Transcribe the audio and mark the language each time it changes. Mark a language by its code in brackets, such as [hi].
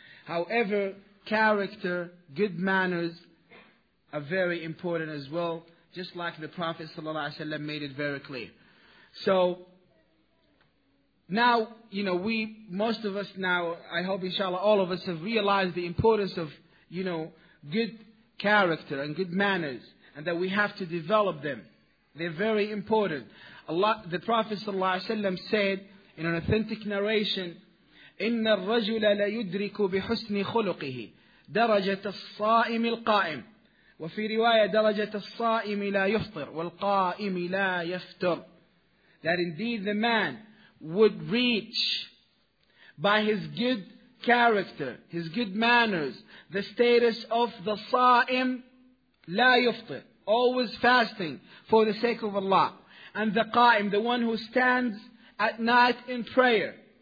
[en] However, character, good manners are very important as well, just like the Prophet ﷺ made it very clear. So now, you know, we, most of us now, I hope inshallah all of us have realized the importance of, you know, good character and good manners, and that we have to develop them. They're very important. Allah, the Prophet ﷺ said in an authentic narration, [ar] إِنَّ الرَّجُلَ لَيُدْرِكُ بِحُسْنِ خُلُقِهِ دَرَجَةَ الصَّائِمِ الْقَائِمِ وَفِي رِوَايَةَ دَرَجَةَ الصَّائِمِ لَا يُفْطِرُ وَالْقَائِمِ لَا يَفْتُرُ. [en] That indeed the man would reach by his good character, his good manners, the status of the [ar] صائم لا يفطر, [en] always fasting for the sake of Allah. And the قائم, the one who stands at night in prayer.